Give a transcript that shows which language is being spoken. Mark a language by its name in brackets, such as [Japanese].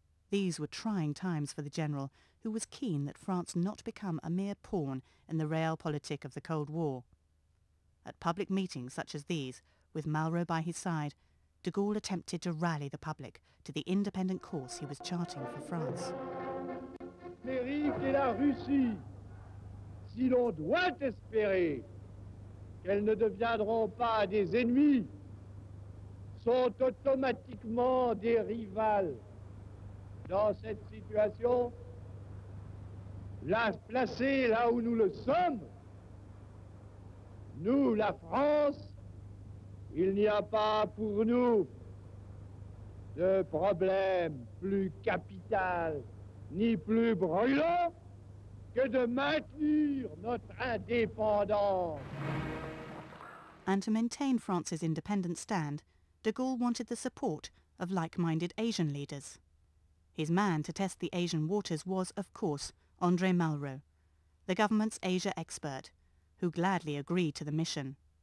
[English] These were trying times for the general, who was keen that France not become a mere pawn in the realpolitik of the Cold War. At public meetings such as these, with Malraux by his side, de Gaulle attempted to rally the public to the independent course he was charting for France. [French] L'Amérique et la Russie. Si l'on doit espérer qu'elles ne deviendront pas des ennemis, sont automatiquement des rivales. Dans cette situation, la placer là où nous le sommes, nous, la France, il n'y a pas pour nous de problème plus capital ni plus brûlant que de maintenir notre indépendance. [English] And to maintain France's independent stand, de Gaulle wanted the support of like-minded Asian leaders. His man to test the Asian waters was, of course, André Malraux, the government's Asia expert, who gladly agreed to the mission.